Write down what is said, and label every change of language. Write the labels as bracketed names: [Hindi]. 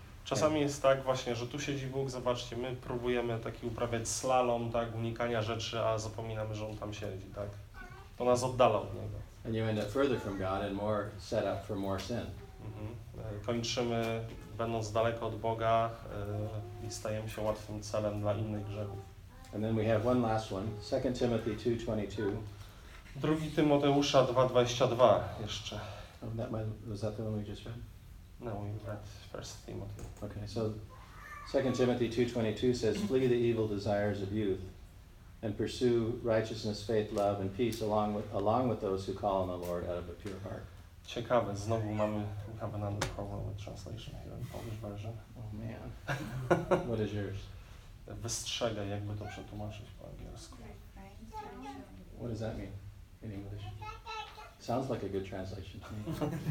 [Polish] Czasami jest tak właśnie, że tu siedzi Bóg, zobaczcie, my próbujemy taki uprawiać slalom, tak, unikania rzeczy, a zapominamy, że On tam siedzi, tak. To nas oddala od Niego. [English] And you end up further from God and more set up for more sin. Mm-hmm. [Polish] Kończymy, będąc daleko od Boga i stajemy się łatwym celem dla innych grzechów. [English] And then we have one last one, 2 Timothy 2:22. [Polish] 2 Tymoteusza 2:22 jeszcze. [English] Oh, was that the one we just read? No, we read 1 Timothy. Okay, so 2 Timothy 2:22 says, flee the evil desires of youth and pursue righteousness, faith, love and peace along with those who call on the Lord out of a pure heart. [Polish] Ciekawe, znowu [English] we have another problem with translation here in Polish version. Oh man, what is yours? [Polish] Wystrzegaj, jakby to przetłumaczyć po angielsku. [English] What does that mean in English? Sounds like a good translation to me.